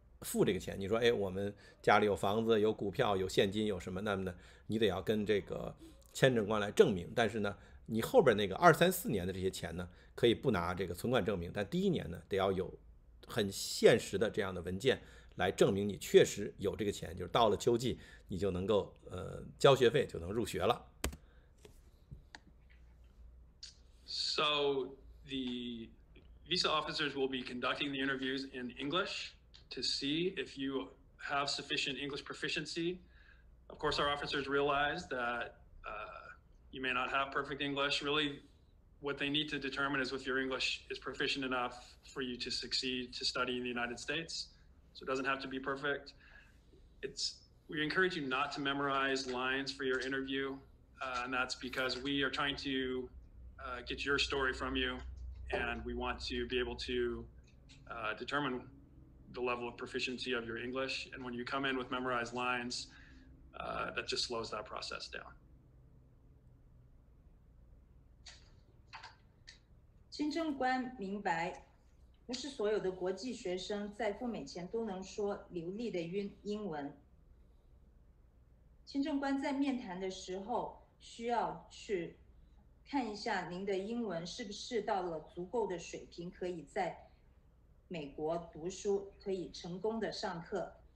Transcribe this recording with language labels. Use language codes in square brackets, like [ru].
[zh] 付这个钱，你说哎，我们家里有房子有股票有现金有什么，那么呢你得要跟这个签证官来证明，但是呢你后边那个二三四年的这些钱呢可以不拿这个存款证明，但第一年呢得要有很现实的这样的文件来证明你确实有这个钱，就是到了秋季你就能够交学费就能入学了。 [en] So the visa officers will be conducting the interviews in English to see if you have sufficient English proficiency. Of course our officers realize thatyou may not have perfect English. Really, what they need to determine is if your English is proficient enough for you to succeed to study in the United States. So it doesn't have to be perfect. We encourage you not to memorize lines for your interview. And that's because we are trying to get your story from you. And we want to be able to determine the level of proficiency of your English. And when you come in with memorized lines, that just slows that process down. [zh] 签证官明白，不是所有的国际学生在赴美前都能说流利的英文。签证官在面谈的时候需要去看一下您的英文是不是到了足够的水平，可以在美国读书，可以成功的上课。